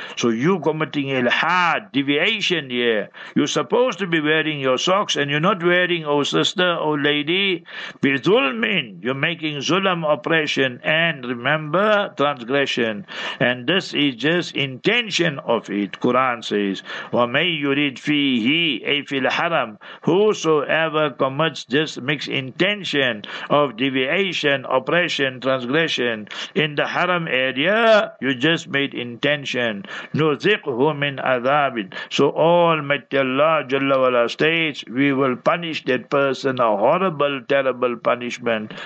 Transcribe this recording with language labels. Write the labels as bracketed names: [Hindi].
[English] So you committing ilhad, deviation here. You're supposed to be wearing your socks and you're not wearing, oh sister, oh lady. Bi zulmin, you're making zulam, oppression, and remember, transgression. And this is just intention of it. Quran says, [Arabic] وَمَنْ يُرِدْ فِيهِ أَيْ فِي الْحَرَمْ. [English] Whosoever commits this mixed intention of deviation, oppression, transgression in the haram area, you just made intention. [Arabic] نُذِقْهُ مِنْ عَذَابٍ. [English] So Almighty Allah Jalla Wala states, we will punish that person a horrible, terrible punishment.